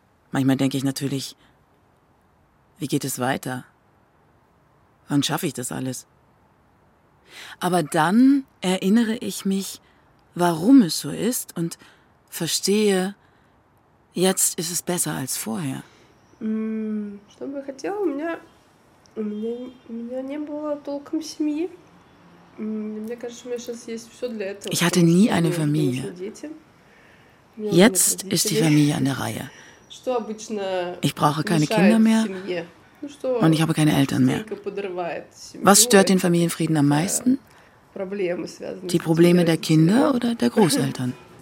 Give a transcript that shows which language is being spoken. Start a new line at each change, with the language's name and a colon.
German: Manchmal denke ich natürlich, wie geht es weiter? Wann schaffe ich das alles? Aber dann erinnere ich mich, warum es so ist und verstehe, jetzt ist es besser als vorher.
Russian: Чтобы я хотела, у меня не было толком семьи. Мне кажется, у меня сейчас есть всё для этого.
German: Ich hatte nie eine Familie. Jetzt ist die Familie an der Reihe.
Russian: Что обычно?
German: Ich brauche keine Kinder mehr. Und ich habe keine Eltern mehr. Was stört den Familienfrieden am meisten? Die Probleme der Kinder oder der Großeltern?